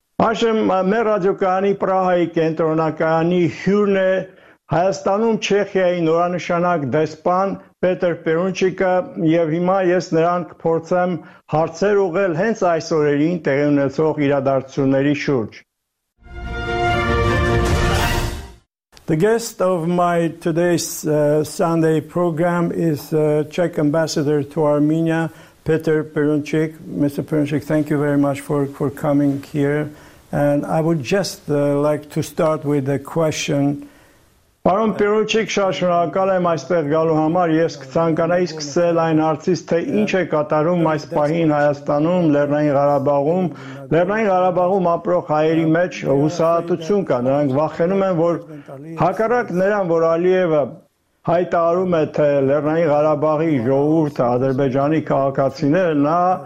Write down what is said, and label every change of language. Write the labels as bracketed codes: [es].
[hy] Այժմ մեր ռադիոկայանի Պրահայի կենտրոնակայանի հյուրն է Հայաստանում Չեխիայի նորանշանակ դեսպան Պետր Պերունչիկը, և հիմա ես նրան կփորձեմ հարցեր ուղղել հենց այս օրերին տեղի ունեցող իրադարձությունների շուրջ։ [en] The guest of my today's Sunday program is Czech Ambassador to Armenia, Petr Perunchik. Mr. Perunchik, thank you very much for coming here. And I would just like to start with a question. [hy] Պարոն Պերունչիկ, շնորհակալ եմ այստեղ գալու համար, ես կցանկանայի սկսել այն հարցից, թե ինչ է կատարում այս պահին Հայաստանում, Լեռնային Ղարաբաղում, Լեռնային Ղարաբաղում ապրող հայերի մեջ հուսահատություն կա, նրանք վախենում են, որ հակառակ նրան, որ Ալիևը հայտարարում է, թե Լեռնային Ղարաբաղի ժողովուրդը ադրբեջանի քաղաքացիները, նա